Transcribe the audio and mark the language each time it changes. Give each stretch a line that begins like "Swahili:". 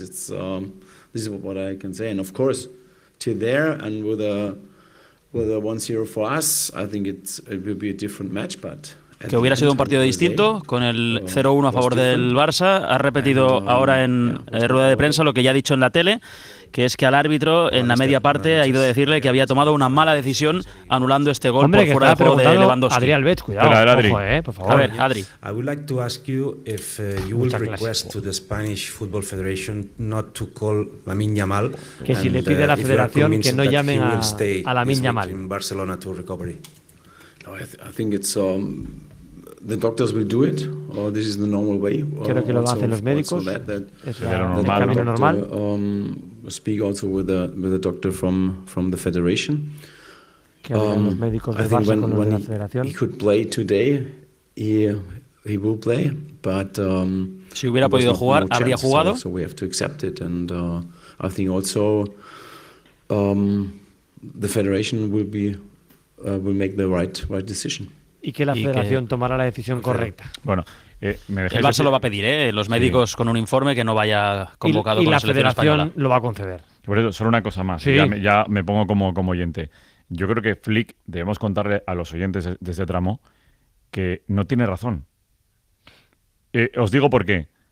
English: It's this is what I can say. And of course, till there and with a 1-0 for us, I think it will be a different match. But
Spanish: que hubiera sido un partido distinto, con el 0-1 a favor del Barça. Ha repetido ahora en rueda de prensa lo que ya ha dicho en la tele, que es que al árbitro, en la media parte, ha ido a decirle que había tomado una mala decisión anulando este gol. Hombre, por fuera de juego de Lewandowski. Adrián Albets, cuidado. Pero, Adri. Ojo, por favor. A ver, Adri.
English: I would like to ask you if you will request to the Spanish Football Federation not to call Lamine Yamal.
Spanish: Que si le pide a la federación que no llamen a Lamine Yamal.
English: In Barcelona to recovery. I think it's the doctors will do it, or this is the normal way.
Spanish: Creo que lo hacen los médicos. Es camino normal.
English: Speak also with the doctor from the federation.
Spanish: Que los médicos de Barça con los de la federación.
English: He could play today. He will play, but
Spanish: si hubiera podido jugar, habría jugado.
English: So we have to accept it, and I think also the federation will be. Will make the right decision.
Spanish: Y que la federación tomará la decisión correcta. Bueno, me el Barça lo va a pedir, los médicos con un informe que no vaya convocado y con la selección española. Lo va a conceder. Por eso, solo una cosa más, sí. ya me pongo como oyente. Yo creo que Flick, debemos contarle a los oyentes de este tramo, que no tiene razón. Os digo por qué.